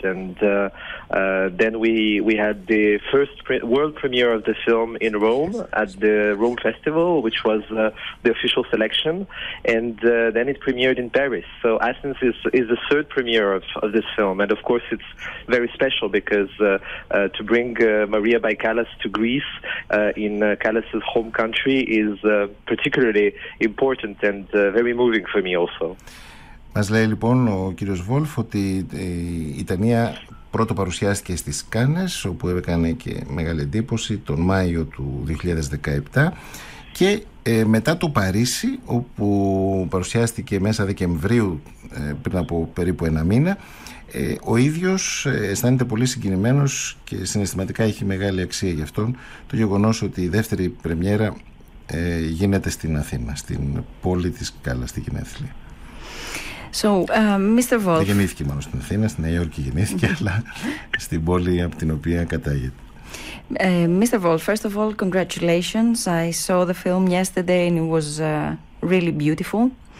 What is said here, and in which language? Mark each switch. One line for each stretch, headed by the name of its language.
English: And then we had the first world premiere of the film in Rome at the Rome Festival, which was the official selection, and then it premiered in Paris. So Athens is the third premiere of this film, and of course it's very special because to bring Maria by Callas to Greece in Callas's home country is particularly important and very moving for me also.
Greek: Μας λέει λοιπόν ο κύριος Βόλφ ότι η ταινία πρώτο παρουσιάστηκε στις Κάνες, όπου έκανε και μεγάλη εντύπωση, τον Μάιο του 2017, και μετά το Παρίσι, όπου παρουσιάστηκε μέσα Δεκεμβρίου, πριν από περίπου ένα μήνα, ο ίδιος αισθάνεται πολύ συγκινημένος και συναισθηματικά έχει μεγάλη αξία γι' αυτόν το γεγονός ότι η δεύτερη πρεμιέρα γίνεται στην Αθήνα, στην πόλη της Κάλλας, στη γενέθλια.
English: So, Mr. Wolf.
Greek: Δεν γεννήθηκε μόνο στην Αθήνα, στη Νέα Υόρκη γεννήθηκε, αλλά στην πόλη από την οποία κατάγεται.
English: Mr. Wolf, first of all, congratulations. I saw the film yesterday and it was really beautiful.